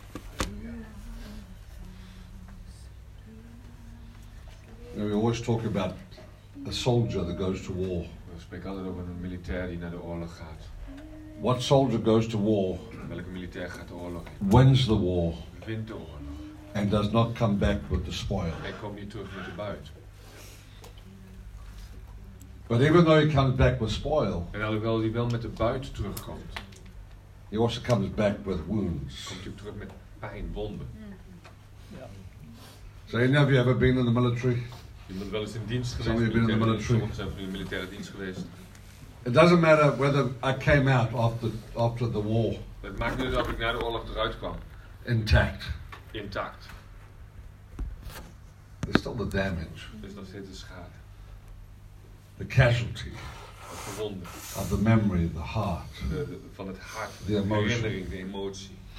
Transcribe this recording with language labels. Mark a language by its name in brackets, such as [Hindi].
[English] You know, we always talk about a soldier that goes to war. [Dutch] We speak altijd over een militair die naar de oorlog gaat. [English] What soldier goes to war? [Dutch] Welke militair gaat de oorlog [English] in? Wins the war. [Dutch] Wint de oorlog. [English] And does not come back with the spoil. [Dutch] Hij komt niet terug met de buit. [English] But even though he comes back with spoil, [Dutch] en alhoewel hij wel met de buit terugkomt, [English] he also comes back with wounds. [Dutch] Komt hij terug met pijn, wonden. [English] Yeah. So any of you ever been in the military? [Dutch] Je bent wel eens in dienst geweest. [English] Some of you been in the military. [Dutch] Zijn van de militaire dienst geweest. [English] It doesn't matter whether I came out after the war. [Dutch] Het maakt niet uit of ik na de oorlog eruit kwam. [English] Intact. [Dutch] Intact. [English] There's still the damage. [Dutch] Er is nog steeds de schade. [English] The casualty. [Dutch] Het gewonde. [English] Of the memory, the heart. [Dutch] Van het hart. The herinnering, de emotie.